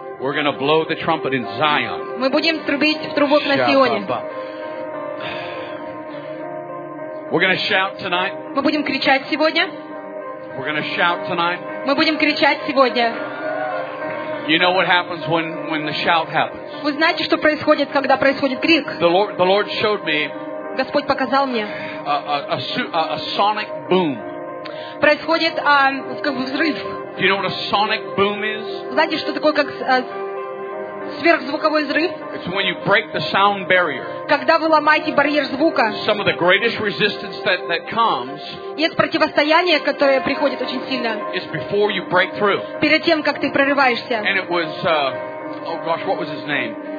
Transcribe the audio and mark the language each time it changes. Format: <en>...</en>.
<en>We're going to blow the trumpet in Zion.</en> <ru>Мы будем трубить в трубок на Сионе.</ru> <en>We're going to shout tonight.</en> <ru>Мы будем кричать сегодня.</ru> <en>We're going to shout tonight.</en> <ru>Мы будем кричать сегодня.</ru> <en>You know what happens when the shout happens.</en> <ru>Вы знаете, что происходит, когда происходит крик?</ru> <en>The Lord showed me.</en> <ru>Господь показал мне.</ru> <en>A sonic boom.</en> <ru>Происходит взрыв.</ru> <en>Do you know what a sonic boom is?</en> <ru>Знаете, что такое как сверхзвуковой взрыв?</ru> <en>It's when you break the sound barrier.</en> <ru>Когда вы ломаете барьер звука.</ru> <en>Some of the greatest resistance that comes.</en> <ru>Есть противостояние, которое приходит очень сильно.</ru> <en>It's before you break through.</en> <ru>Перед тем, как ты прорываешься.</ru> <en>And it was, oh gosh, what was his name?</en>